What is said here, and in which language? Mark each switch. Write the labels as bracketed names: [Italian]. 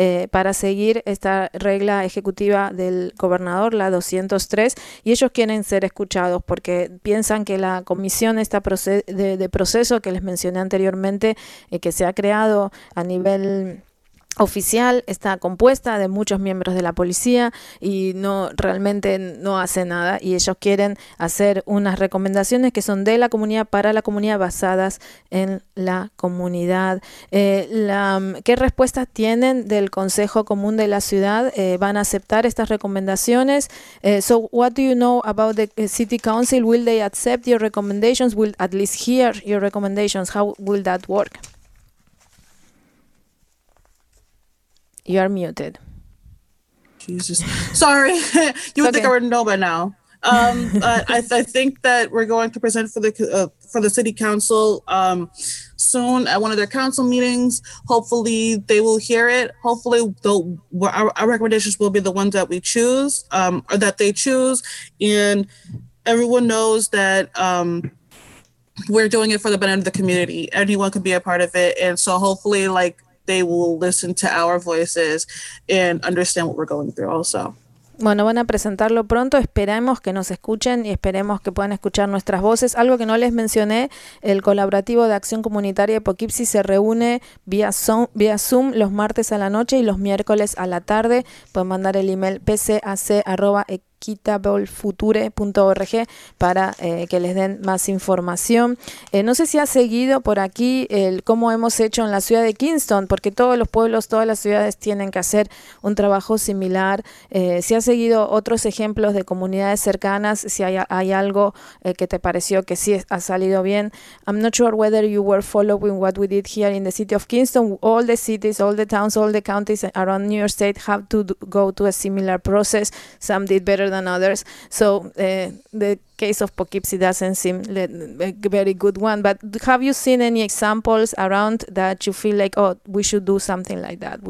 [Spanish] para seguir esta regla ejecutiva del gobernador, la 203, y ellos quieren ser escuchados porque piensan que la comisión esta de proceso que les mencioné anteriormente, que se ha creado a nivel oficial, está compuesta de muchos miembros de la policía y no realmente no hace nada, y ellos quieren hacer unas recomendaciones que son de la comunidad para la comunidad basadas en la comunidad. ¿Qué respuestas tienen del Consejo Común de la Ciudad? ¿Van a aceptar estas recomendaciones? [English] So what do you know about the City Council? Will they accept your recommendations? Will at least hear your recommendations? How will that work? You are muted. Jesus. Sorry. You would think I wouldn't know by now. I think that we're going to present for the city council soon at one of their council meetings. Hopefully they will hear it. Hopefully our recommendations will be the ones that we choose or that they choose. And everyone knows that we're doing it for the benefit of the community. Anyone can be a part of it. And so hopefully, like, they will listen to our voices and understand what we're going through also. [Spanish] Bueno, van a presentarlo pronto. Esperemos que nos escuchen y esperemos que puedan escuchar nuestras voces. Algo que no les mencioné, el Colaborativo de Acción Comunitaria de Poughkeepsie se reúne vía Zoom los martes a la noche y los miércoles a la tarde. Pueden mandar el email pcac@equitablefuture.org para que les den más información. No sé si ha seguido por aquí cómo hemos hecho en la ciudad de Kingston, porque todos los pueblos, todas las ciudades tienen que hacer un trabajo similar. Si ha seguido otros ejemplos de comunidades cercanas, si hay algo que te pareció que sí ha salido bien. [English] I'm not sure whether you were following what we did here in the city of Kingston. All the cities, all the towns, all the counties around New York State have to go to a similar process. Some did better than others, so the case of Poughkeepsie doesn't seem a very good one, but have you seen any examples around that you feel like, oh, we should do something like that?